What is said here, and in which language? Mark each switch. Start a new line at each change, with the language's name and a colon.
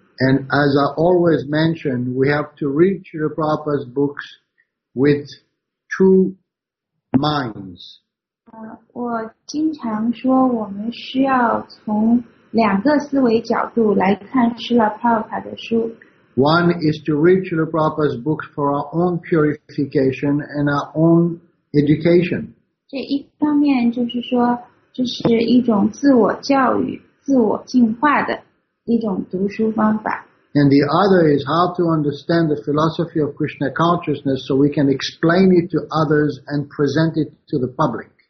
English: And as I always mention, we have to read Srila Prabhupada's books with true minds.
Chinese: 我经常说我们需要从两个思维角度来看Srila Prabhupada的书。
English: One is to read Srila Prabhupada's books for our own purification and our own education.
Chinese: 这一方面就是说，这是一种自我教育、自我净化的。
English: And the other is how to understand the philosophy of Krishna consciousness so we can explain it to others and present it to the public.